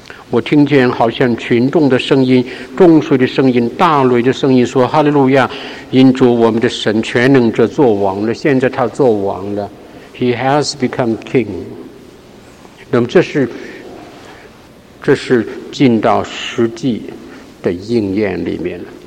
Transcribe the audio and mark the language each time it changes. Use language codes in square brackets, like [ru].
[zh] 我听见好像群众的声音，众水的声音，大雷的声音，说：“哈利路亚！因主我们的神全能者做王了。现在他做王了 ， [en] He has become king。” [zh] 那么这是进到实际的应验里面了。